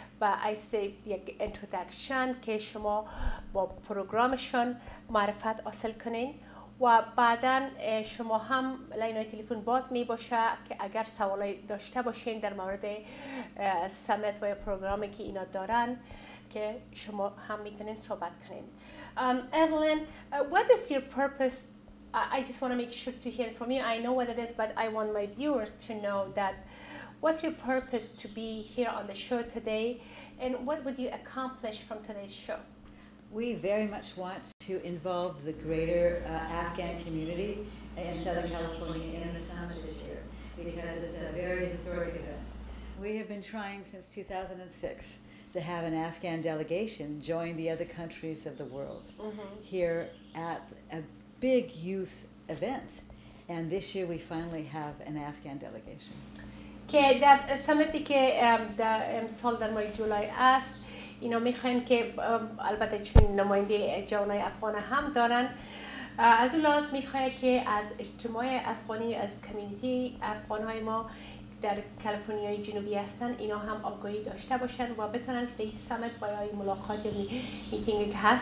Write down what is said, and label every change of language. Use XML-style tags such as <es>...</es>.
<fa>و ایسه یک انتروداکشن که شما با پروگرامشون معرفت حاصل کنین و بعدا شما هم لاین تلفن باز می باشه که اگر سوالی داشته باشین در مورد سمت و پروگرامی که اینا دارن که شما هم میتونین صحبت کنین.</fa> <en>Evelyn, what is your purpose? I just want to make sure to hear it from you. I know what it is, but I want my viewers to know that what's your purpose to be here on the show today, and what would you accomplish from today's show? We very much want to involve the greater Afghan community in Southern California in the summit this year, because it's a very historic event. We have been trying since 2006 to have an Afghan delegation join the other countries of the world mm-hmm. here at a big youth event. And this year we finally have an Afghan delegation.</en> <fa>که در سمتی که در امسال در ماه جولای است اینا میخواین که البته چون نماینده جوانای افغان هم دارن از اون لحاظ میخواین که از اجتماع افغانی از کمیونیتی افغانهای ما در کالیفرنیای جنوبی هستن اینا هم آگاهی داشته باشن و بتونن به این سمت بایای ملاقات میتینگ که</fa>